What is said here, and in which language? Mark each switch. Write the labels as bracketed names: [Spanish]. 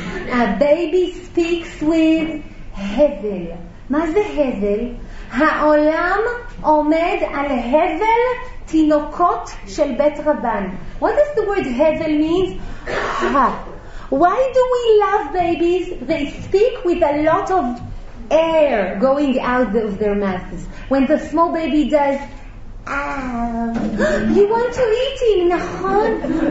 [English] A baby speaks with hevel. [Hebrew] מה זה הבל? העולם עומד על הבל תינוקות של בית רבן. [English] What does the word הבל means? Why do we love babies? They speak with a lot of air going out of their mouths. When the small baby does you want to eat him, נכון?